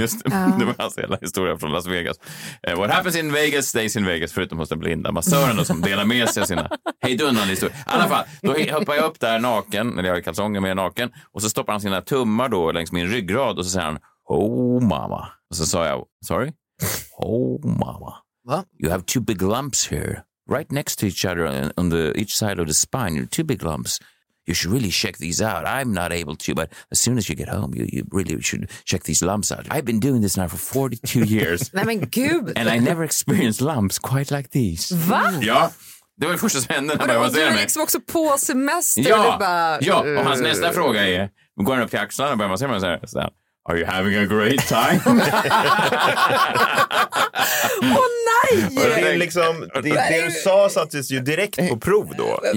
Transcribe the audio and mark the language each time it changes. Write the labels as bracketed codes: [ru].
[sv] Just det, var hans hela historia från Las Vegas. [en] What happens in Vegas stays in Vegas, [sv] förutom hos den blinda massören som delar med sig av sina hejdundande historier. I alla fall, då hoppar jag upp där naken, när jag har kalsonger med naken, och så stoppar han sina tummar då längs min ryggrad och så säger han, [en] oh mama. [sv] Och så sa jag, [en] sorry? Oh mama. What? You have two big lumps here, right next to each other on the each side of the spine. You have two big lumps. You should really check these out. I'm not able to, but as soon as you get home, you really should check these lumps out. I've been doing this now for 42 years. [sv] Nej, men gud. [en] And I never experienced lumps quite like these. [sv] Va? Ja. Det var det första som hände när jag var där. Och du är liksom också på semester. Ja. Bara, ja, och hans nästa fråga är, går han upp till axlarna och börjar massera mig och säger, [en] are you having a great time? [sv] Oh, nej! Det är liksom, det du sa sattes ju direkt på prov då.